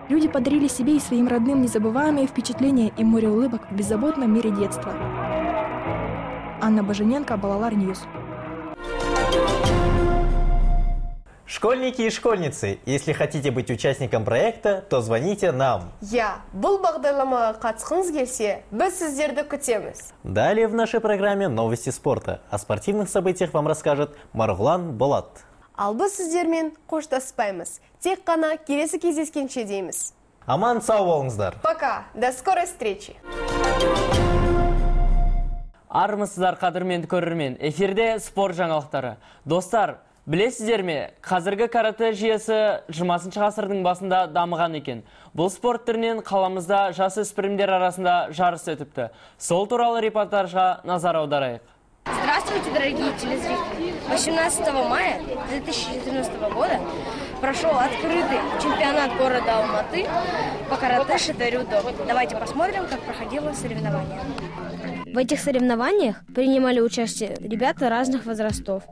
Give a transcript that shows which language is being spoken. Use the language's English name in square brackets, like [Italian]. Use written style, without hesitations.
[Russian] Люди подарили себе и своим родным незабываемые впечатления и море улыбок в беззаботном мире детства. Анна Божененко, Балалар Ньюс. Школьники и школьницы, если хотите быть участником проекта, то звоните нам. [Kazakh] Я был бағдарламаға қатысқыңыз келсе, біз сіздерді күтеміз. [Russian] Далее в нашей программе новости спорта. О спортивных событиях вам расскажет Марғұлан Болат. [Kazakh] Ал біз сіздермен қоштаспаймыз. Тек қана келесі кездескенше дейміз. Аман сау болыңыздар. [Russian] Пока, до скорой встречи. [Kazakh] Армысыздар қадырмен көрермен. Эфирде спорт жаңалықтары. Достар, білесіздер ме, қазіргі каратэ жүйесі 20-шы ғасырдың басында дамыған екен. Бұл спорт түрінен қаламызда жасөспірімдер арасында жарыс өтіпті. Сол туралы репортажға назар аударайық. [Russian] Здравствуйте, дорогие телезрители! 18 мая 2019 года прошел открытый чемпионат города Алматы по каратэ Шидорюдо. Давайте посмотрим, как проходило соревнование. В этих соревнованиях принимали участие ребята разных возрастов.